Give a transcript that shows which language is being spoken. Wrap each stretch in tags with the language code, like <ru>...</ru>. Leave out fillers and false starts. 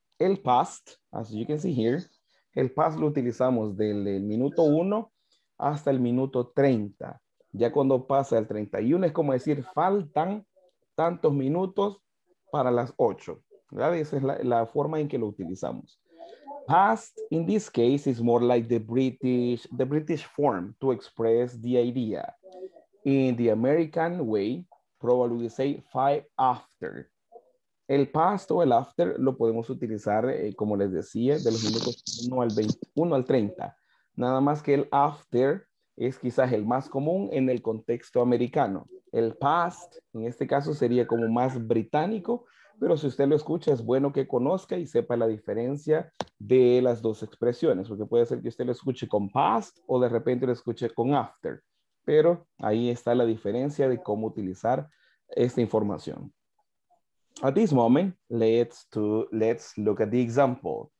<es>El past,</es> <en>as you can see here,</en> <es>el past lo utilizamos desde el minuto 1 hasta el minuto 30. Ya cuando pasa el 31 es como decir, faltan tantos minutos para las 8. ¿Verdad? Esa es la forma en que lo utilizamos.</es> <en>Past, in this case, is more like the British form to express the idea. In the American way, probably we say five after.</en> <es>El past o el after lo podemos utilizar, como les decía, de los minutos 1 al 30. Nada más que el after es quizás el más común en el contexto americano. El past, en este caso, sería como más británico. Pero si usted lo escucha, es bueno que conozca y sepa la diferencia de las dos expresiones, porque puede ser que usted lo escuche con past o de repente lo escuche con after. Pero ahí está la diferencia de cómo utilizar esta información.</es> <en>At this moment, let's look at the example.</en>